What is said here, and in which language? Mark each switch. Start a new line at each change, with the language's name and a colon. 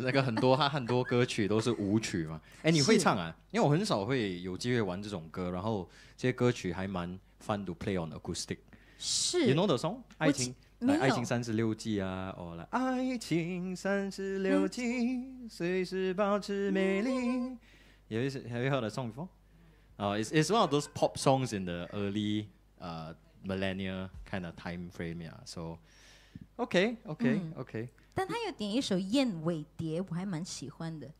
Chinese: 那个很多他很多歌曲都是舞曲嘛。哎，你会唱啊？因为我很少会有机会玩这种歌，然后这些歌曲还蛮
English: fun to play on acoustic。
Chinese: 是，
English: You know the song？
Chinese: 爱情。来，爱情三十六计啊！哦，来，爱情三十六计，随时保持美丽。
English: Have you heard the song before? It's one of those pop songs in the early millennial kind of time frame, yeah. So, okay.、
Chinese: 嗯、但他有点一首《燕尾蝶》，我还蛮喜欢的。